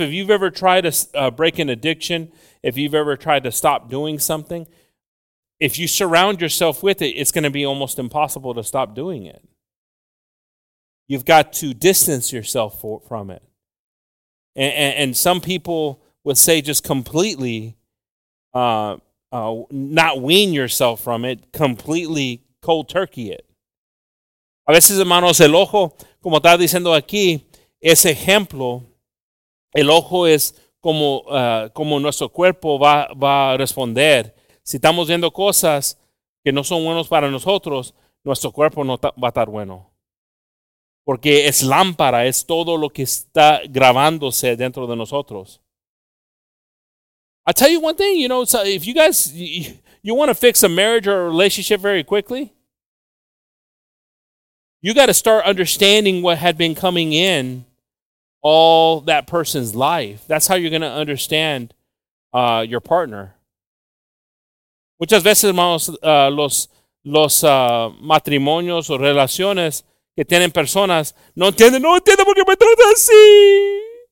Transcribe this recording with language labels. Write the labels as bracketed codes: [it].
[en] If you've ever tried to break an addiction, if you've ever tried to stop doing something, if you surround yourself with it, it's going to be almost impossible to stop doing it. You've got to distance yourself from it. And some people would say just completely not wean yourself from it, completely cold turkey it. [es] A veces, hermanos, el ojo, como está diciendo aquí, ese ejemplo, el ojo es como como nuestro cuerpo va a responder. Si estamos viendo cosas que no son buenos para nosotros, nuestro cuerpo no va a estar bueno. Porque es lámpara, es todo lo que está grabándose dentro de nosotros. [en] I'll tell you one thing, you know, so if you guys, you want to fix a marriage or a relationship very quickly, you got to start understanding what had been coming in all that person's life. That's how you're going to understand your partner. [es] Muchas veces, hermanos, los matrimonios o relaciones que tienen personas no entienden por qué me trata así.